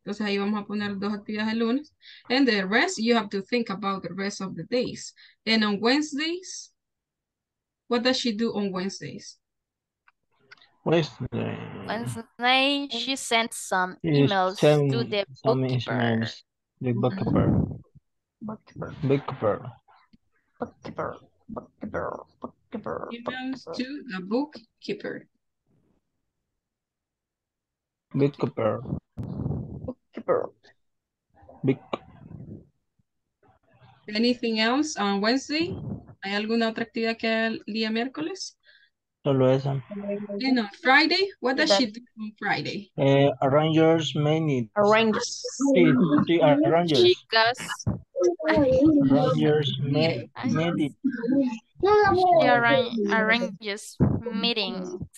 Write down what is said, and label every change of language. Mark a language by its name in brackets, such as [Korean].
[Spanish] Entonces ahí vamos a poner dos actividades el lunes. [English] And the rest, you have to think about the rest of the days. And on Wednesdays, what does she do on Wednesdays? Wednesday, she sent some emails to the bookkeeper. The bookkeeper. Bookkeeper. Bookkeeper. Bookkeeper. Bookkeeper. Emails to the bookkeeper. Bookkeeper. Bookkeeper. Bookkeeper. Anything else on Wednesday? [Spanish] ¿Hay alguna otra actividad que el día miércoles? Solo esa. [English] You know, Friday, what does she do on Friday? Arrangers, many. Arrangers. She arranges. [Spanish] Chicas. [English] Arrangers, many. She arranges meetings.